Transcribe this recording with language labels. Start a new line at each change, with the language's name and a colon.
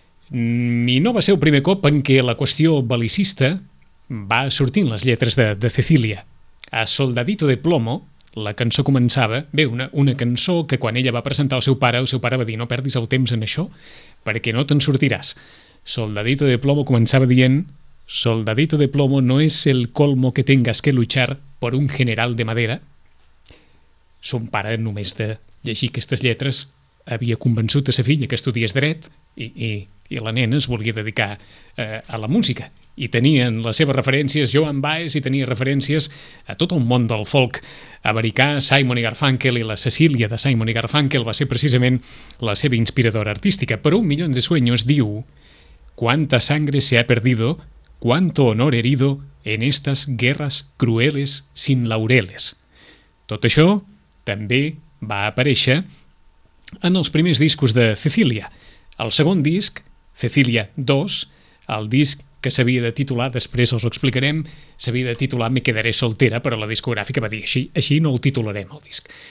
Catalan: I no va ser el primer cop en què la qüestió belicista va sortir en les lletres de Cecília. A Soldadito de Plomo, la cançó començava, bé, una cançó que quan ella va presentar al seu pare va dir no perdis el temps en això perquè no te'n sortiràs.
Spanish: Soldadito de Plomo
Catalan: començava dient
Spanish: Soldadito de Plomo no es el colmo que tengas que luchar por un general de madera.
Catalan: Son pare, només de llegir aquestes lletres, havia convençut a sa filla que estudiés dret i la nena es volia dedicar a la música. I tenien les seves referències Joan Baez i tenia referències a tot el món del folk americà. Simon i Garfunkel i la Cecília de Simon i Garfunkel va ser precisament la seva inspiradora artística.
Spanish: Però Un millón de sueños diu «Cuánta sangre se ha perdido, cuánto honor herido en estas guerras crueles sin laureles».
Catalan: Tot això també va aparèixer en els primers discos de Cecília. El segon disc, Cecília 2, el disc que s'havia de titular, després els ho explicarem, s'havia de titular Me quedaré soltera, però la discogràfica va dir així no el titularem, el disc.